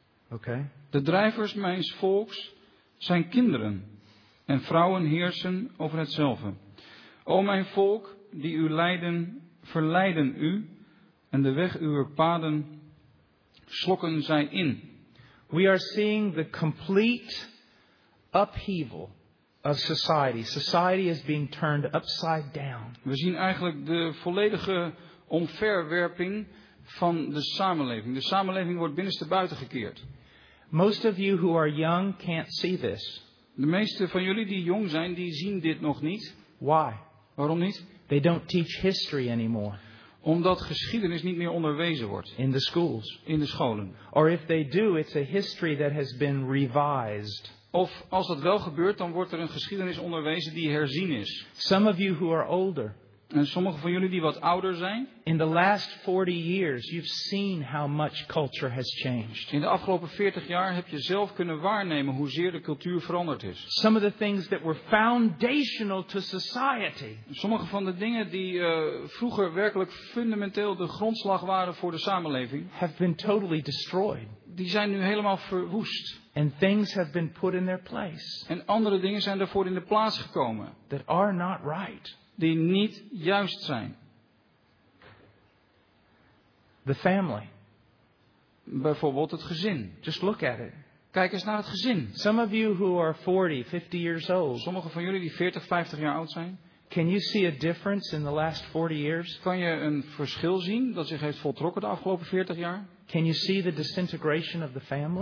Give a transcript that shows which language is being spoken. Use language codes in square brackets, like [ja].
[en] Okay. [nl] De drijvers mijns volks zijn kinderen en vrouwen heersen over hetzelfde. O mijn volk, die u leiden, verleiden u en de weg uw paden slokken zij in. [en] We are seeing the complete upheaval. Of society. Society is being turned upside down. [nl] We zien eigenlijk de volledige omverwerping van de samenleving. De samenleving wordt binnenste buiten gekeerd. [en] Most of you who are young can't see this. [nl] De meeste van jullie die jong zijn, die zien dit nog niet. [en] Why? [nl] Waarom niet? [en] They don't teach history anymore. [nl] Omdat geschiedenis niet meer onderwezen wordt. [en] In the schools. [nl] In de scholen. [en] Or if they do, it's a history that has been revised. [nl] Of als dat wel gebeurt, dan wordt er een geschiedenis onderwezen die herzien is. [en] Some of you who are older. [nl] En sommigen van jullie die wat ouder zijn. [en] In the last 40 years you've seen how much culture has changed. [nl] In de afgelopen 40 jaar heb je zelf kunnen waarnemen hoezeer de cultuur veranderd is. [en] Some of the things that were foundational to society. [nl] Sommige van de dingen die vroeger werkelijk fundamenteel de grondslag waren voor de samenleving. [en] Have been totally destroyed. [nl] Die zijn nu helemaal verwoest. [en] And things have been put in their place. [nl] En andere dingen zijn daarvoor in de plaats gekomen. [en] That are not right. [nl] Die niet juist zijn. [en] The family. [nl] Bijvoorbeeld het gezin. [en] Just look at it. [nl] Kijk eens naar het gezin. [en] Some of you who are 40, 50 years old. [nl] Sommigen van jullie die 40, 50 jaar oud zijn. [en] Can you see a difference in the last 40 years? [nl] Kan je een verschil zien dat zich heeft voltrokken de afgelopen 40 jaar? [en] Can you see the disintegration of the family?